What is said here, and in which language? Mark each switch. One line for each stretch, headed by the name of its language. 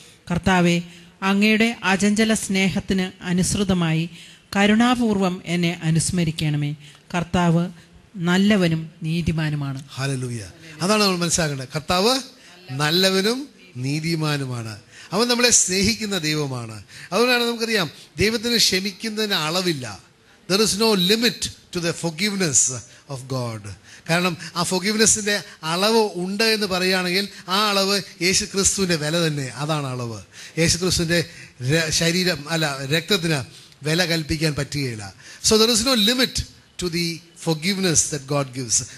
Malayalam: കർത്താവേ, അങ്ങയുടെ അചഞ്ചല സ്നേഹത്തിന് അനുസൃതമായി കരുണാപൂർവം എന്നെ അനുസ്മരിക്കണമേ. കർത്താവ് നല്ലവനും നീതിമാനുമാണ്. ഹല്ലേലൂയ. അതാണ് നമ്മൾ മനസ്സിലാക്കേണ്ടത്, കർത്താവ് നല്ലവനും നീതിമാനുമാണ്, അവൻ നമ്മളെ സ്നേഹിക്കുന്ന ദൈവമാണ്. അതുകൊണ്ടാണ് നമുക്കറിയാം ദൈവത്തിന് ക്ഷമിക്കുന്നതിന് അളവില്ല.
English: There is no limit to the forgiveness of God.
Malayalam: കാരണം ആ ഫൊഗീവ്നെസ്സിൻ്റെ അളവ് ഉണ്ട് എന്ന് പറയുകയാണെങ്കിൽ ആ അളവ് യേശു ക്രിസ്തുവിൻ്റെ വില തന്നെ, അതാണ് അളവ്. യേശു ക്രിസ്തുവിൻ്റെ ശരീരം അല്ല രക്തത്തിന് വില കൽപ്പിക്കാൻ പറ്റുകയില്ല.
English: So there is no limit to the forgiveness that God gives.